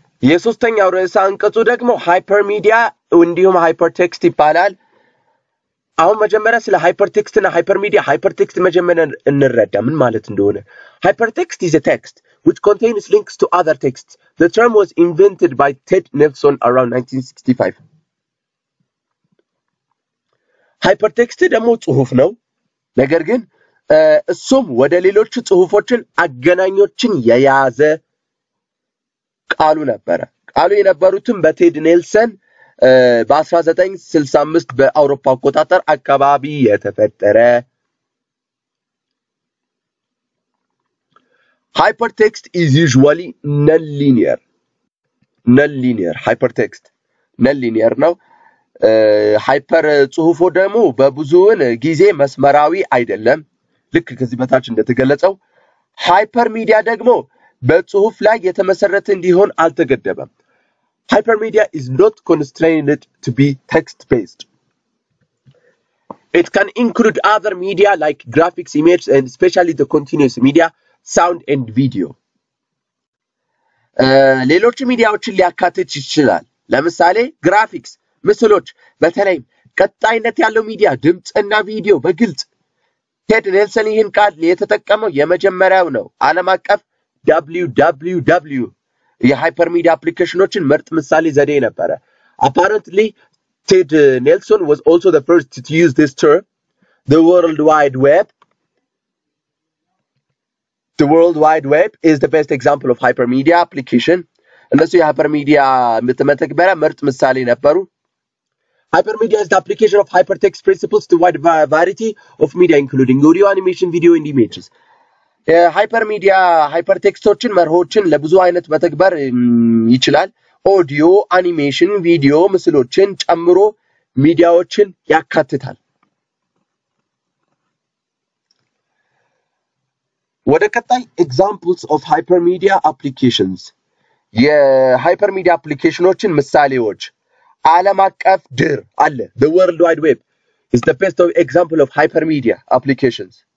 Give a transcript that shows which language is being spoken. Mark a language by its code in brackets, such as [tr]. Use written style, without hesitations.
[am] የሶስተኛው ርዕስ አንቀጹ ደግሞ ሃይፐርሚዲያ እንዲሁም ሃይፐርቴክስት ይባላል። አሁን መጀመሪያ ስለ ሃይፐርቴክስት እና ሃይፐርሚዲያ ሃይፐርቴክስት መጀመሪያ እንረዳ ምን ማለት እንደሆነ። ሃይፐርቴክስት [en] is a text which contains links to other texts. The term was invented by Ted Nelson around 1965. [am] ሃይፐርቴክስት ደግሞ ጽሑፍ ነው። ነገር ግን እሱም ወደ ሌሎች ጽሑፎችን አገናኞችን የያዘ ቃሉ ነበር። ቃሉ የነበሩትም በቴድ ኔልሰን በ1965 በአውሮፓ አቆጣጠር አካባቢ የተፈጠረ ሃይፐርቴክስት [en] is usually non-linear. [am] Non-linear hypertext non-linear ነው። ሃይፐር ጽሑፎ ደግሞ በብዙውን ጊዜ መስመራዊ አይደለም። ልክ ከዚህ በታች እንደተገለጸው ሃይፐርሚዲያ ደግሞ በጽሑፍ ላይ የተመሰረተ እንዲሆን አልተገደበም። [en] Hypermedia is not constrained to be text-based. It can include other media like graphics, images, and especially the continuous media, sound and video. [am] ሌሎች ሚዲያዎችን ሊያካትት ይችላል። ለምሳሌ graphics, ምስሎች፣ በተለይም ቀጣይነት ያለው ሚዲያ ድምጽ እና ቪዲዮ በግልጽ። ቴድ ኔልሰን ይህን ቃል የተጠቀመው የመጀመሪያው ነው። ዓለም አቀፍ www የሃይፐርሚዲያ አፕሊኬሽኖችን ምርጥ ምሳሌ ዘዴ ነበር። [en] Apparently Ted Nelson was also the first to use this term, the world wide web is the best example of hypermedia application. [am] እነሱ የሃይፐርሚዲያ መተግበሪያ ምርጥ ምሳሌ ነበሩ። [en] Hypermedia is the application of hypertext principles to wide variety of media including audio, animation, video and images. [am] የሃይፐርሚዲያ ሃይፐርቴክስቶችን መርሆችን ለብዙ አይነት መተግበር ይችላል። ኦዲዮ፣ አኒሜሽን፣ ቪዲዮ፣ ምስሎችን ጨምሮ ሚዲያዎችን ያካትታል። ወደ ቀጣይ [en] examples of hypermedia applications [am] የሃይፐርሚዲያ አፕሊኬሽኖችን ምሳሌዎች። ዓለም አቀፍ ድር አለ። [en] The World Wide Web is the best of example of hypermedia applications.